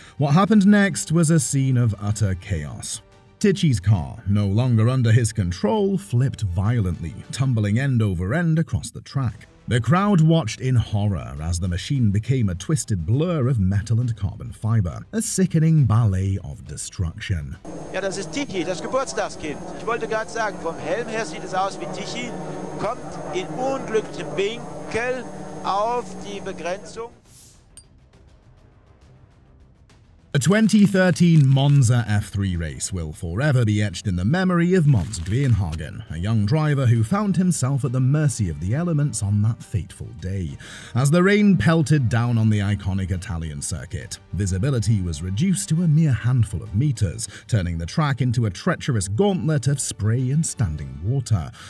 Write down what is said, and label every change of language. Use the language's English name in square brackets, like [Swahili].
[English] What happened next was a scene of utter chaos. Tichy's car, no longer under his control, flipped violently, tumbling end over end across the track. The crowd watched in horror as the machine became a twisted blur of metal and carbon fiber, a sickening ballet of destruction. [German] Ja, das ist Tichy, das Geburtstagskind. Ich wollte gerade sagen, vom Helm her sieht es aus wie Tichy, kommt in unglücklichem Winkel auf die Begrenzung. [English] A 2013 Monza F3 race will forever be etched in the memory of Mons Greenhagen, a young driver who found himself at the mercy of the elements on that fateful day. As the rain pelted down on the iconic Italian circuit, visibility was reduced to a mere handful of meters, turning the track into a treacherous gauntlet of spray and standing water.